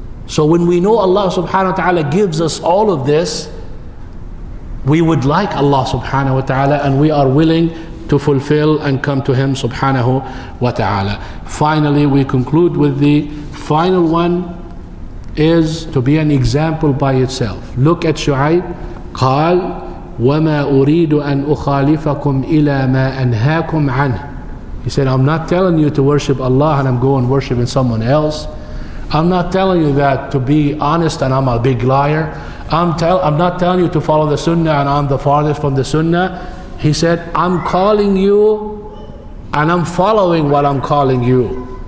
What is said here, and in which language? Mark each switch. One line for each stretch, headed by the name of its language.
English: So when we know Allah subhanahu wa ta'ala gives us all of this, we would like Allah subhanahu wa ta'ala, and we are willing to fulfill and come to Him subhanahu wa ta'ala. Finally, we conclude with the final one, is to be an example by itself. Look at Shu'aib.
Arabic: قال وَمَا أُرِيدُ أَنْ أُخَالِفَكُمْ إِلَى مَا أَنْهَاكُمْ عَنْهُ.
English: He said, I'm not telling you to worship Allah and I'm going worshiping someone else. I'm not telling you that to be honest and I'm a big liar. I'm not telling you to follow the sunnah and I'm the farthest from the sunnah. He said, I'm calling you and I'm following what I'm calling you.